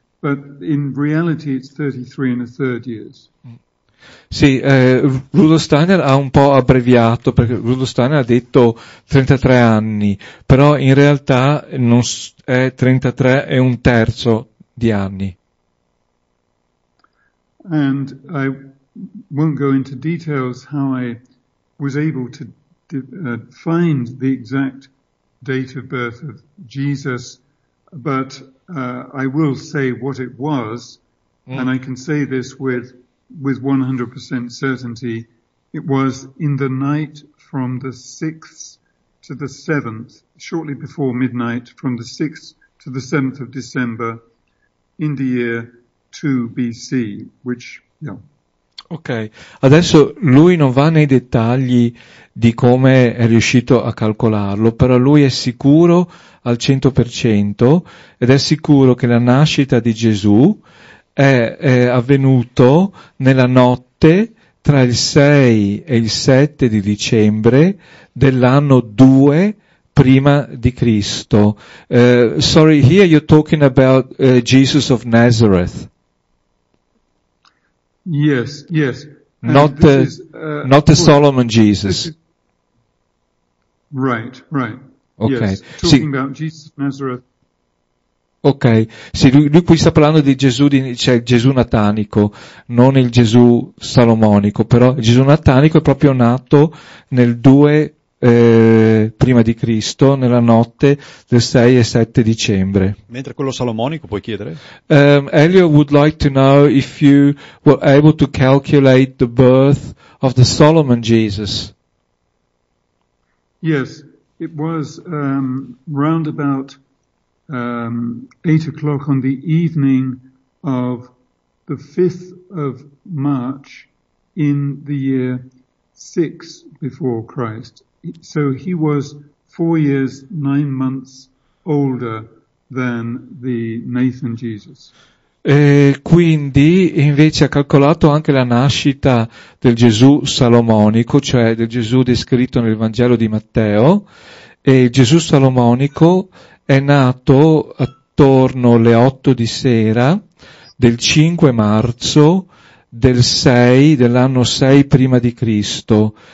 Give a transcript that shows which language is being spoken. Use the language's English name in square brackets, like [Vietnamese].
[English] But in reality, it's 33 and a third years. [Italian] Sì, Rudolf Steiner ha un po' abbreviato, perché Rudolf Steiner ha detto 33 anni, però in realtà non è 33 e un terzo di anni. [English] And I won't go into details how I was able to find the exact date of birth of Jesus, but I will say what it was, and I can say this with 100% certainty. It was in the night from the 6th to the 7th, shortly before midnight, from the 6th to the 7th of December in the year 2 BC, which, yeah. [Italian] Ok, adesso lui non va nei dettagli di come è riuscito a calcolarlo, però lui è sicuro al 100% ed è sicuro che la nascita di Gesù è avvenuto nella notte tra il 6 e il 7 di dicembre dell'anno 2 prima di Cristo. [English] Sorry, here you're talking about Jesus of Nazareth. Yes. not the Solomon Jesus. Right. Okay. Yes, talking about Jesus of Nazareth. [Italian] Ok, sì, lui qui sta parlando di Gesù, cioè Gesù natanico, non il Gesù salomonico, però Gesù natanico è proprio nato nel 2 prima di Cristo, nella notte del 6 e 7 dicembre. Mentre quello salomonico puoi chiedere? [English] Elio would like to know if you were able to calculate the birth of the Solomon Jesus. Yes, it was round about 8 o'clock on the evening of the 5th of March in the year 6 before Christ. So he was 4 years, 9 months older than the Nathan Jesus. [Italian] E quindi invece ha calcolato anche la nascita del Gesù salomonico, cioè del Gesù descritto nel Vangelo di Matteo, e Gesù salomonico è nato attorno alle 8 di sera del 5 marzo del 6, dell'anno 6 prima di Cristo.